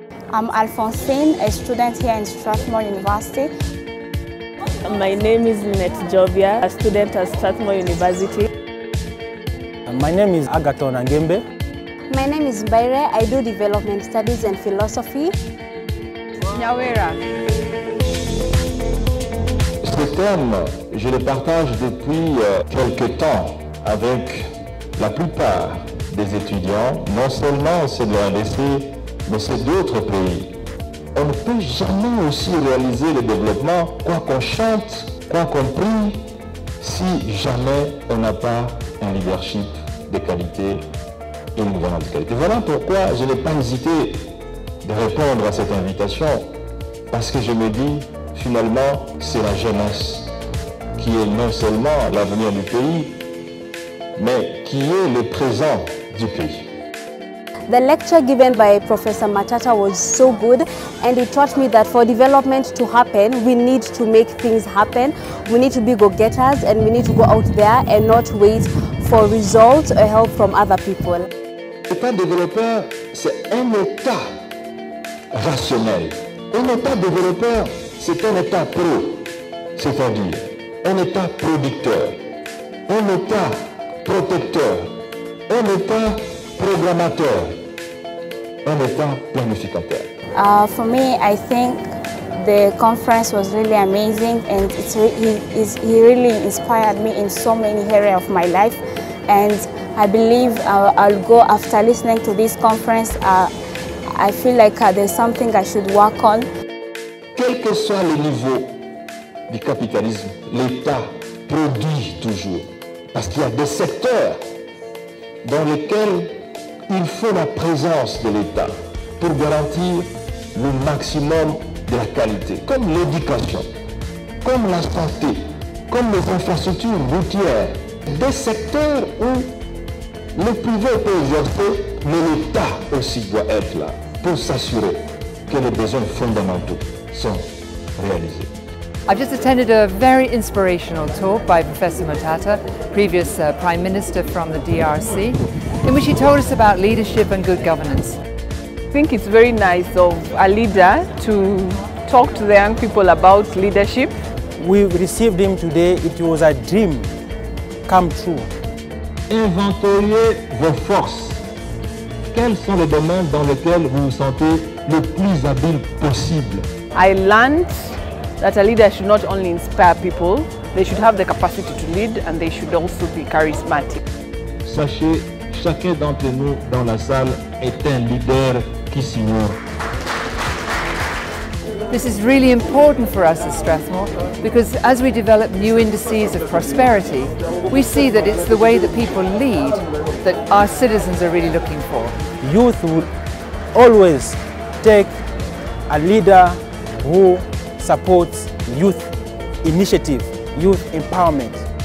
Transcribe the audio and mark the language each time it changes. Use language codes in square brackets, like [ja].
[en] I'm Alphonsine, a student here in Strathmore University. My name is Lynette Jovia, a student at Strathmore University. My name is Agaton Angembe. My name is Mbaire, I do development studies and philosophy. Nyawera. [fr] Ce thème, je le partage depuis quelques temps avec la plupart des étudiants, non seulement c'est de l'ANDC, mais c'est d'autres pays. On ne peut jamais aussi réaliser le développement, quoi qu'on chante, quoi qu'on prie, si jamais on n'a pas un leadership de qualité et une gouvernance de qualité. Voilà pourquoi je n'ai pas hésité de répondre à cette invitation, parce que je me dis, finalement, c'est la jeunesse qui est non seulement l'avenir du pays, mais qui est le présent du pays. [en] The lecture given by Professor Matata was so good, and it taught me that for development to happen, we need to make things happen. We need to be go-getters, and we need to go out there and not wait for results or help from other people. [fr] Un développeur, c'est un état rationnel. Un état développeur, c'est un état pro, c'est-à-dire un état producteur, un état protecteur, un état programmateur. [en] For me, I think the conference was really amazing, and he really inspired me in so many areas of my life. And I believe I'll go after listening to this conference. I feel like there's something I should work on. [fr] Quel que soit le niveau du capitalisme, l'État produit toujours, parce qu'il y a des secteurs dans lesquels il faut la présence de l'État pour garantir le maximum de la qualité, comme l'éducation, comme la santé, comme les infrastructures routières. Des secteurs où le privé peut exercer, mais l'État aussi doit être là pour s'assurer que les besoins fondamentaux sont réalisés. [en] I've just attended a very inspirational talk by Professor Matata, previous Prime Minister from the DRC, in which he told us about leadership and good governance. I think it's very nice of a leader to talk to the young people about leadership. We received him today, it was a dream come true. [fr] Inventoriez vos forces. Quels sont les domaines dans lesquels vous vous sentez le plus habile possible? [en] I learned that a leader should not only inspire people, they should have the capacity to lead and they should also be charismatic. [fr] Sachez, chacun d'entre nous dans la salle est un leader qui s'ignore. [en] This is really important for us at Strathmore because as we develop new indices of prosperity, we see that it's the way that people lead that our citizens are really looking for. Youth will always take a leader who supports youth initiative, youth empowerment.